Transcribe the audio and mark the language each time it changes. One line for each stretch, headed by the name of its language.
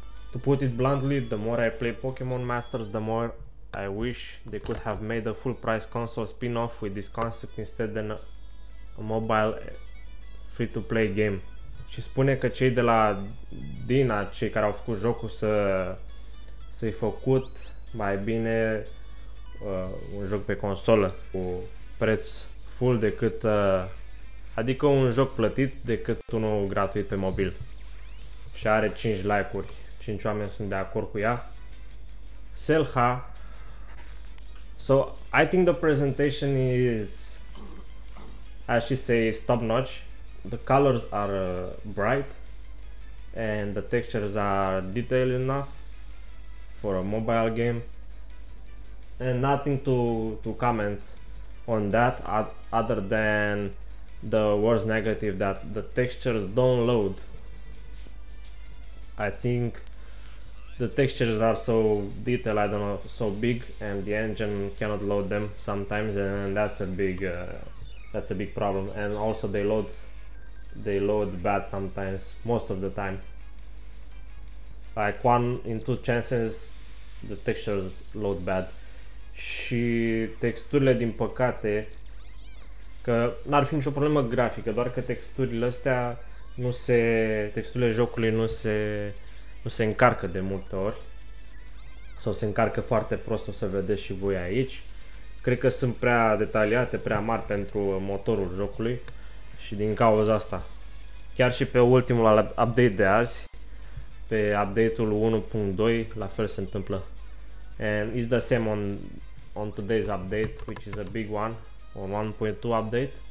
English: To put it bluntly, the more I play Pokémon Masters, the more I wish they could have made a full price console spin-off with this concept instead of a mobile free-to-play game.
Romanian: Și spune că cei de la Dina, cei care au făcut jocul, să-i făcut mai bine un joc pe consolă cu preț full decât, adică un joc plătit decât unul gratuit pe mobil. Și are 5 like-uri, 5 oameni sunt de acord cu ea. Selha.
English: So, I think the presentation is, as she says, top-notch. The colors are bright and the textures are detailed enough for a mobile game, and nothing to comment on that other than the worst negative, that the textures don't load. I think the textures are so detailed, I don't know, so big, and the engine cannot load them sometimes, and that's a big problem. And also they load bad sometimes, most of the time. Like one in two chances, the textures load bad.
Romanian: Și texturile, din păcate, că n-ar fi nicio problemă grafică, doar că texturile astea texturile jocului nu se încarcă de multe ori. Sau se încarcă foarte prost, o să vedeți și voi aici. Cred că sunt prea detaliate, prea mari pentru motorul jocului. Și din cauza asta, chiar și pe ultimul update de azi, pe update-ul 1.2, la fel se întâmplă.
English: And it's the same on today's update, which is a big one, on 1.2 update.